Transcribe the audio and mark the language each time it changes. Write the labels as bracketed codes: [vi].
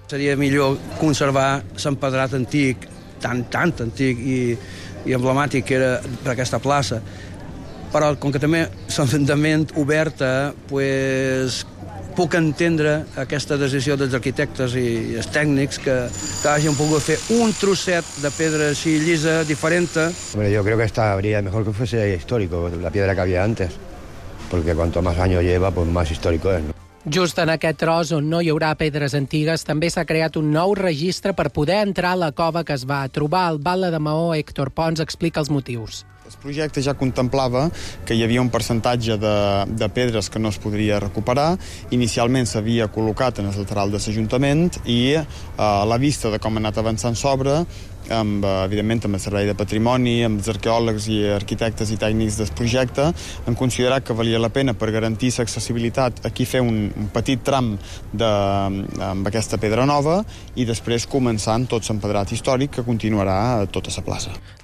[ca] Seria millor conservar l'empedrat antic, tant antic i emblemàtic que era per aquesta plaça. Però, com que també l'entendament obert, pues, puc entendre aquesta decisió dels arquitectes i els tècnics que hagin pogut fer un trosset de pedra així llisa, diferent. [es] Bueno, yo creo que esta habría mejor que fuese histórico, la piedra que había antes, porque cuanto más años lleva, pues más histórico es, ¿no? [ca] Just en aquest tros, on no hi haurà pedres antigues, també s'ha creat un nou registre per poder entrar a la cova que es va trobar. El Batle de Mahó, Héctor Pons, explica els motius. El projecte ja contemplava que hi havia un percentatge de pedres que no es podria recuperar. Inicialment s'havia col·locat en el lateral de l'Ajuntament i a la vista de com ha anat avançant s'obra, amb, evidentment amb el Servei de Patrimoni, amb els arqueòlegs i arquitectes i tècnics del projecte, han considerat que valia la pena, per garantir l'accessibilitat, aquí fer un petit tram amb aquesta pedra nova i després començar amb tot l'empedrat històric que continuarà a tota la plaça.